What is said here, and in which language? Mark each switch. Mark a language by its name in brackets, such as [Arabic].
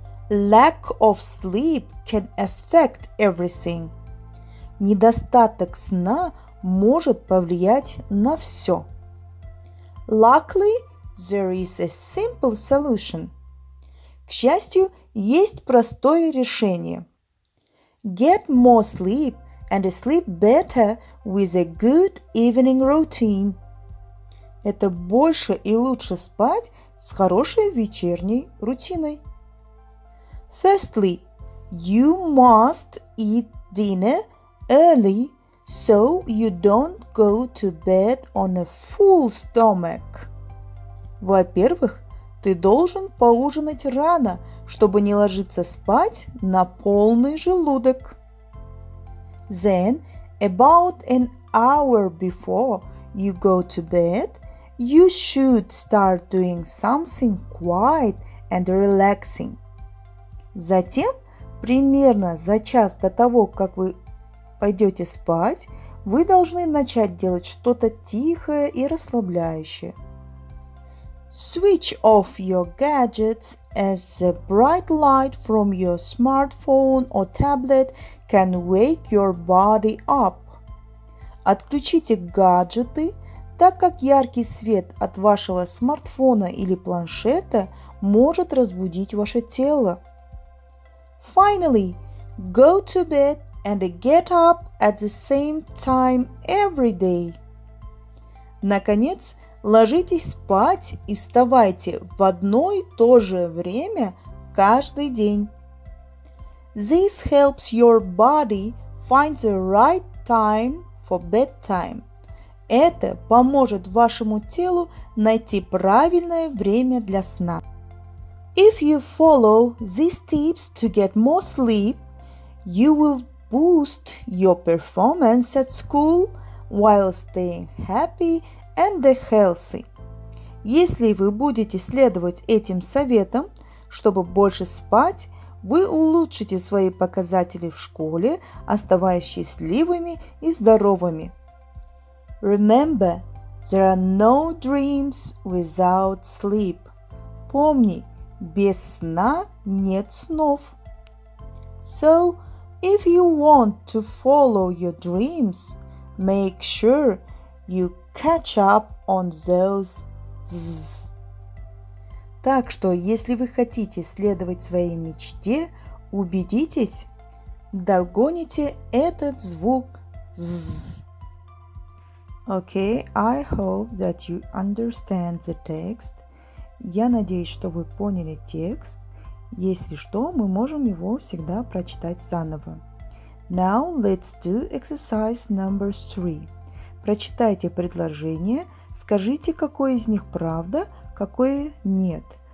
[English] Lack of sleep can affect everything. [Russian] Недостаток сна может повлиять на все. [English] Luckily, there is a simple solution. [Russian] К счастью, есть простое решение. [English] Get more sleep and sleep better with a good evening routine. [Russian] Это больше и лучше спать с хорошей вечерней рутиной. [English] Firstly, you must eat dinner early so you don't go to bed on a full stomach. [Russian] Во-первых, ты должен поужинать рано, чтобы не ложиться спать на полный желудок. [English] Then, about an hour before you go to bed, you should start doing something quiet and relaxing. [Russian] Затем, примерно за час до того, как вы пойдете спать, вы должны начать делать что-то тихое и расслабляющее. [English] Switch off your gadgets as the bright light from your smartphone or tablet can wake your body up. [Russian] Отключите гаджеты, так как яркий свет от вашего смартфона или планшета может разбудить ваше тело. [English] Finally, go to bed and get up at the same time every day. [Russian] Наконец, ложитесь спать и вставайте в одно и то же время каждый день. [English] This helps your body find the right time for bedtime. [Russian] Это поможет вашему телу найти правильное время для сна. [English] If you follow these tips to get more sleep, you will boost your performance at school while staying happy and healthy. [Russian] Если вы будете следовать этим советам, чтобы больше спать, вы улучшите свои показатели в школе, оставаясь счастливыми и здоровыми. [English] Remember, there are no dreams without sleep. [Russian] Помни, без сна нет снов. [English] So, if you want to follow your dreams, make sure you catch up on those z. [Russian] Так что, если вы хотите следовать своей мечте, убедитесь, догоните этот звук z. [English] Okay, I hope that you understand the text. [Russian] Я надеюсь, что вы поняли текст. Если что, мы можем его всегда прочитать заново. [English] Now let's do exercise number 3. [Russian] Прочитайте предложение, скажите, какое из них правда, какое нет.